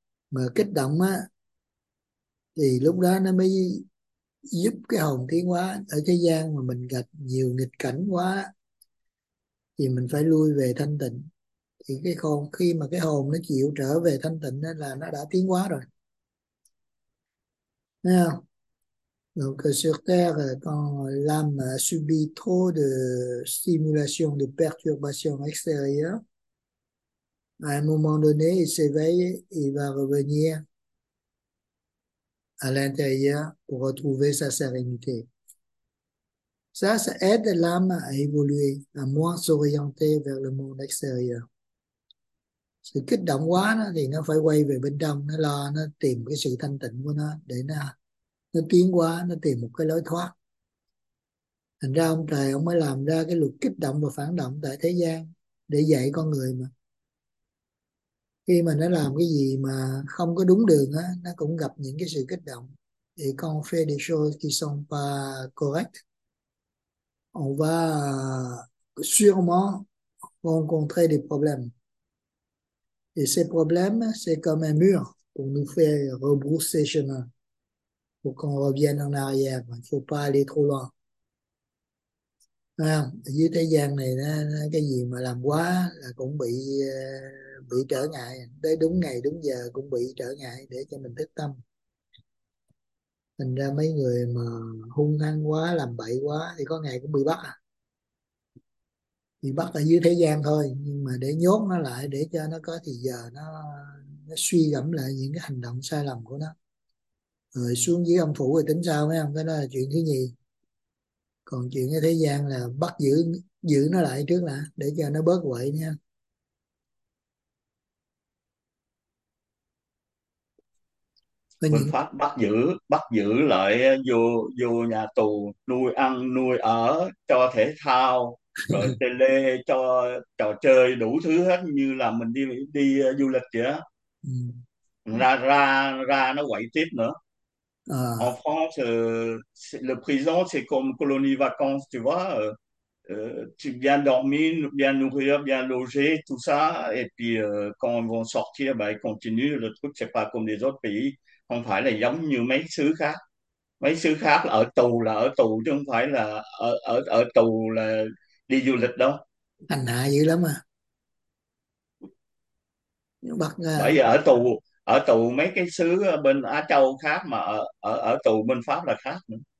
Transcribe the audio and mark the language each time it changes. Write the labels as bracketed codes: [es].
[vi] Mà kích động á thì lúc đó nó mới giúp cái hồn tiến hóa. Ở thế gian mà mình gặp nhiều nghịch cảnh quá thì mình phải lui về thanh tịnh, thì cái hồn khi mà cái hồn nó chịu trở về thanh tịnh đó là nó đã tiến hóa rồi, thấy không? [fr] Donc sur terre, quand l'âme subit trop de stimulation, de perturbation extérieure, à un moment donné, il s'éveille, il va revenir à l'intérieur pour retrouver sa sérénité. Ça aide l'âme à évoluer, à moins s'orienter vers le monde extérieur. [vi] Sự kích động quá nó thì nó phải quay về bên trong, nó lo, nó tìm cái sự thanh tịnh của nó để nó tiến qua, nó tìm một cái lối thoát. Thành ra ông trời ông mới làm ra cái luật kích động và phản động tại thế gian để dạy con người mà. Khi mà nó làm cái gì mà không có đúng đường á, nó cũng gặp những cái sự kích động. [fr] Thì con fait des choses qui sont pas correctes, on va sûrement rencontrer des problèmes. Et ces problèmes, c'est comme un mur pour nous faire rebrousser chemin, pour qu'on revienne en arrière. Il ne faut pas aller trop loin. [vi] À, dưới thế gian này cái gì mà làm quá là cũng bị trở ngại, tới đúng ngày đúng giờ cũng bị trở ngại để cho mình thức tâm. Thành ra mấy người mà hung hăng quá, làm bậy quá thì có ngày cũng bị bắt à. Bị bắt ở dưới thế gian thôi, nhưng mà để nhốt nó lại, để cho nó có thì giờ nó suy gẫm lại những cái hành động sai lầm của nó. Rồi xuống dưới âm phủ rồi tính sao mấy ông, cái đó là chuyện thứ nhì. Còn chuyện ở thế gian là bắt giữ giữ nó lại trước là để cho nó bớt quậy nha. Có Phương những pháp bắt giữ lại vô nhà tù, nuôi ăn nuôi ở, cho thể thao rồi tele, cho trò chơi đủ thứ hết, như là mình đi đi du lịch vậy đó. Ra ra ra nó quậy tiếp nữa. [fr] En France, le prison c'est comme colonie vacances, tu vois, tu viens dormir, bien nourrir, bien loger, tout ça, et puis quand ils vont sortir, ils continuent le truc. C'est pas comme les autres pays, [vi] không phải là giống như mấy xứ khác. Mấy xứ khác ở tù là ở tù, chứ không phải là ở ở ở tù là đi du lịch hành hạ dữ lắm à, bắt bởi vì ở tù mấy cái xứ bên Á Châu khác, mà ở ở ở tù bên Pháp là khác nữa.